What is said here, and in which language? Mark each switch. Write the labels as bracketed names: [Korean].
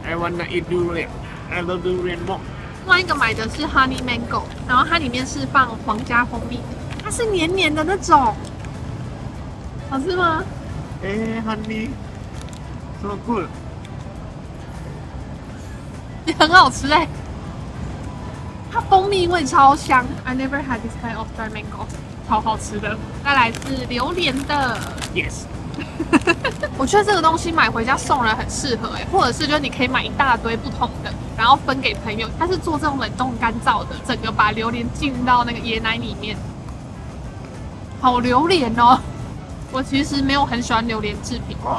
[English] I wanna eat durian, I love durian more。 [Chinese] 另外一个买的是 honey mango， 然后它里面是放皇家蜂蜜。它是黏黏的那种，好吃吗？ [English] honey， so good， [Chinese] 也很好吃哎。它蜂蜜味超香 ， [English] I never had this kind of dried mango， [Chinese] 超好吃的。再来是榴莲的 [English] ，yes， [Chinese] 我觉得这个东西买回家送人很适合哎，或者是就你可以买一大堆不同的，然后分给朋友。它是做这种冷冻干燥的，整个把榴莲浸到那个椰奶里面。好榴莲哦！我其实没有很喜欢榴莲制品。